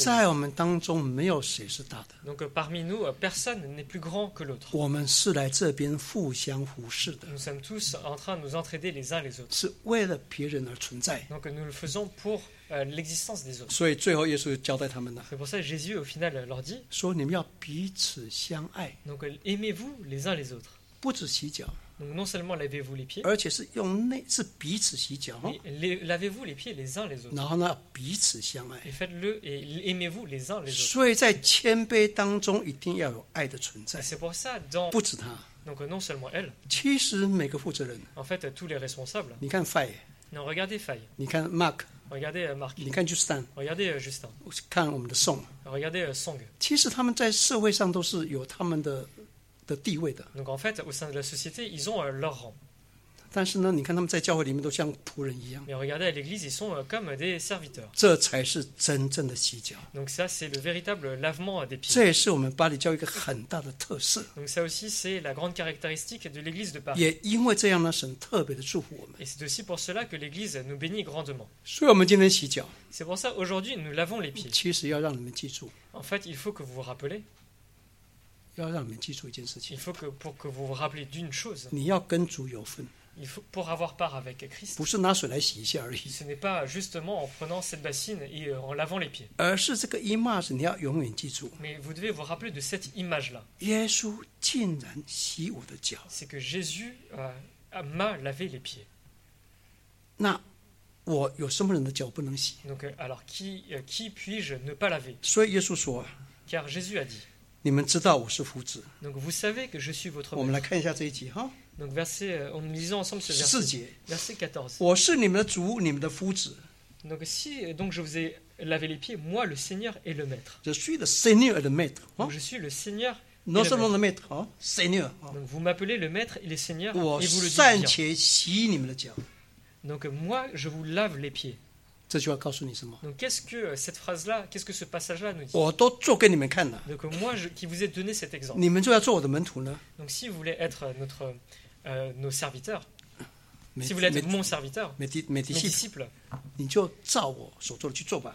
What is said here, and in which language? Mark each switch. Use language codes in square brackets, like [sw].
[zh] autres. 在我们当中没有谁是大的。 [fr] Donc parmi nous, personne n'est plus grand que l'autre. [zh] 我们是来这边互相服侍的。 [fr] Nous sommes tous en train de nous entraider les uns les autres. [zh] 是为了别人而存在。 [fr] Donc nous le faisons pour l'existence des autres. [zh] 所以最后耶稣交代他们了。 [fr] C'est pour ça que Jésus au final leur dit. [zh] 说你们要彼此相爱。 [fr] Donc aimez-vous les uns les autres. [zh] 不止洗脚。 [fr] Donc non seulement lavez-vous les pieds, [zh] 而且是用内是彼此洗脚， [fr] 嘛，les, lavez-vous les pieds les uns les autres. [zh] 然后呢，彼此相爱。 [fr] Et faites-le et aimez-vous les uns les autres. [zh] 所以在谦卑当中一定要有爱的存在。 [fr] C'est pour ça, dans, [zh] 不止他。 [fr] Donc non seulement elle. [zh] 其实每个负责人。 [fr] En fait, tous les responsables. [zh] 你看 Faye. [fr] Non, regardez Faye. [zh] 你看 Mark. [fr] Regardez Marc. Regardez Justin. [zh] 看我们的 Song. [fr] Regardez Song. [zh] 其实他们在社会上都是有他们 的地位的。 [fr] Donc en fait, au sein de la société, ils ont leur rang. [zh] 但是呢，你看他们在教会里面都像仆人一样。 [fr] Mais regardez à l'église, ils sont comme des serviteurs. [zh] 这才是真正的洗脚。 [fr] Donc ça, c'est le véritable lavement des pieds. [zh] 这也是我们巴黎教会一个很大的特色。 [fr] Donc ça aussi, c'est la grande caractéristique de l'église de Paris. [zh] 也因为这样呢，神特别的祝福我们。 [fr] Et c'est aussi pour cela que l'église nous bénit grandement. [zh] 所以我们今天洗脚。 [fr] C'est pour ça aujourd'hui nous lavons les pieds. [zh] 其实要让你们记住。 [fr] En fait, il faut que vous vous rappelez. [zh] 要让你们记住一件事情。 [fr] Il faut que pour que vous vous rappelez d'une chose. [zh] 你要跟主有份。 [fr] Il faut, pour avoir part avec Christ, [zh] 不是拿水来洗一下而已。 [fr] Ce n'est pas justement en prenant cette bassine et en lavant les pieds. [zh] 而是这个 image 你要永远记住。 [fr] Mais vous devez vous rappeler de cette image-là. [zh] 耶稣竟然洗我的脚。 [fr] C'est que Jésus m'a lavé les pieds. [zh] 那我有什么人的脚不能洗？ [fr] Donc, alors qui puis-je ne pas laver? [zh] 所以耶稣说。 [fr] Car Jésus a dit. [zh] 你们知道我是夫子。 [fr] Donc vous savez que je suis votre [zh] maître. 我们来看一下这一集哈。 [fr] Donc verset, on lisons ensemble ce verset. [zh] 四节。 [fr] Verset 14. [zh] 我是你们的主，你们的夫子。 [fr] Donc si donc je vous ai lavé les pieds, moi le Seigneur et le maître. Je suis le Seigneur et le maître. Donc je suis le Seigneur. Non seulement le maître, hein, Seigneur. Donc vous m'appelez le maître et le Seigneur. [zh] 我暂且洗你们的脚。 [fr] Donc moi je vous lave les pieds. [zh] 这句话告诉你什么？ [fr] Donc, qu'est-ce que cette phrase-là, qu'est-ce que ce passage-là nous dit? [zh] 我都做给你们看了。 [fr] Donc, moi, qui vous ai donné cet exemple. [zh] 你们就要做我的门徒呢。 [fr] Donc, si vous voulez être notre, nos serviteurs, si vous voulez être mon serviteur, mes disciples, [zh] 你就照我所做的去做吧。